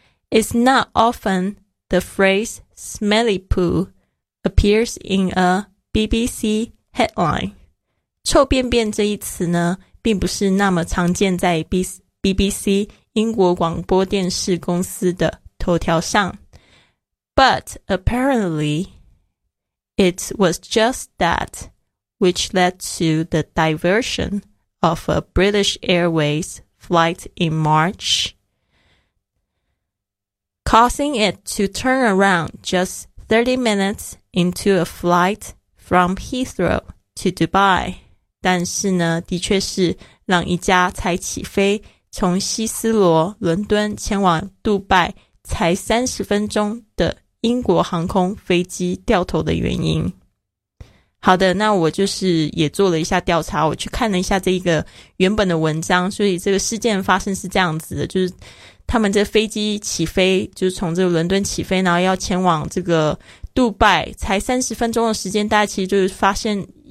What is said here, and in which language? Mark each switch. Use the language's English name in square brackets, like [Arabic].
[English] It's not often the phrase smelly poo appears in a BBC headline， [Chinese] 臭便便这一词呢并不是那么常见在 BBC英国广播电视公司的头条上。 [English] But apparently it was just that which led to the diversion of a British Airways flight in March。 causing it to turn around just 30 minutes into a flight from Heathrow to Dubai. [Chinese] 但是呢，的确是让一家才起飞，从希斯罗伦敦前往杜拜才30分钟的英国航空飞机掉头的原因。好的，那我就是也做了一下调查，我去看了一下这一个原本的文章，所以这个事件发生是这样子的，就是他们这飞机起飞，就是从这个伦敦起飞，然后要前往这个杜拜，才30分钟的时间，大家其实就是发现